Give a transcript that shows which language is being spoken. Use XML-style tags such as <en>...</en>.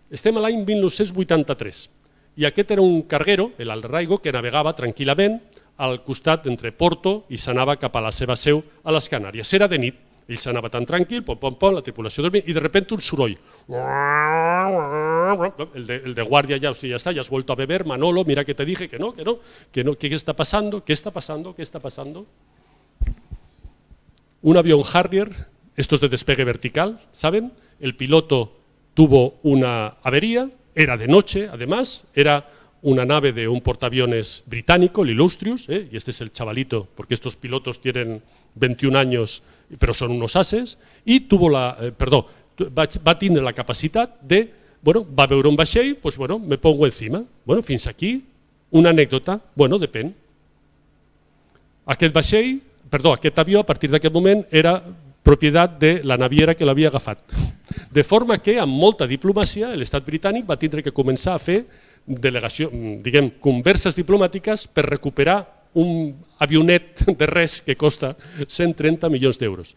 <ca>Estem a l'any 1983 i aquest era un carguero, l'Alraigo, que navegava tranquil·lament al costat entre Porto i s'anava cap a la seva seu a les Canàries. Era de nit, ell s'anava tan tranquil, pom, pom, pom, la tripulació dormint, i de sobte un soroll. El de guàrdia ja, hostia, ja està,</ca> <es>ja has vuelto a beber, Manolo, mira que te dije que no,</es> <ca>que no, que no, que què està passant, què està passant, què està passant.</ca> <es>Un avió Harrier, estos de despegue vertical, ¿saben? El piloto tuvo una avería, era de noche, además, era una nave de un portaaviones británico, el Illustrious, y este es el chavalito, porque estos pilotos tienen 21 años, pero son unos ases, y tuvo la, perdón, va a tener la capacidad de, bueno, va a ver un vaixell, pues bueno, me pongo encima.</es> <ca>Bueno, fins aquí, una anécdota, bueno, depèn. Aquest vaixell, perdón, aquest avió, a partir d'aquest moment, era propietat de la naviera que l'havia agafat. De forma que amb molta diplomàcia l'estat britànic va tindre que començar a fer delegació, diguem, converses diplomàtiques per recuperar un avionet de res que costa 130 milions d'euros.</ca>